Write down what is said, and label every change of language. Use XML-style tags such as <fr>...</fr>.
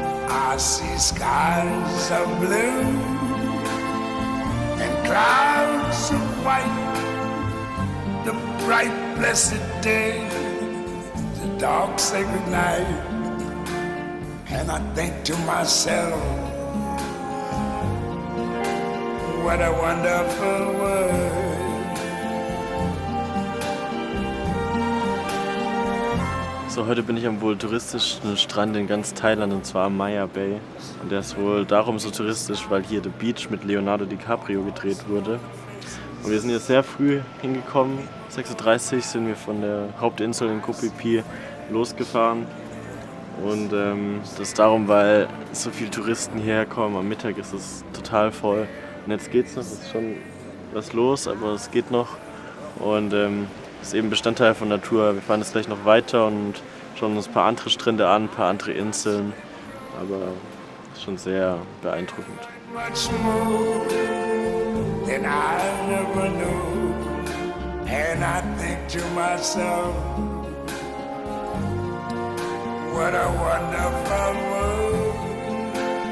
<en>I see skies of blue and clouds of white, the bright blessed day, the dark sacred night. And I think to myself, what a wonderful world.</en> <de>So, heute bin ich am wohl touristischsten Strand in ganz Thailand, und zwar am Maya Bay. Und der ist wohl darum so touristisch, weil hier The Beach mit Leonardo DiCaprio gedreht wurde. Und wir sind hier sehr früh hingekommen. 6.30 Uhr sind wir von der Hauptinsel in Koh Phi Phi losgefahren. Und das ist darum, weil so viele Touristen hierher kommen. Am Mittag ist es total voll. Und jetzt geht's noch, es ist schon was los, aber es geht noch. Und ist eben Bestandteil von Natur. Wir fahren jetzt gleich noch weiter und schauen uns ein paar andere Strände an, ein paar andere Inseln. Aber es ist schon sehr beeindruckend.</de> <en>Much more than I never knew. And I think to myself, what a wonderful world.</en>